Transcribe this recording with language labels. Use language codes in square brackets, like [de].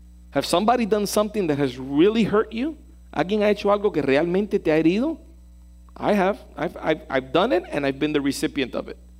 [en] Have somebody done something that has really hurt you? [es] ¿Alguien ha hecho algo que realmente te ha herido? [en] I have. I've done it and I've been the recipient of it.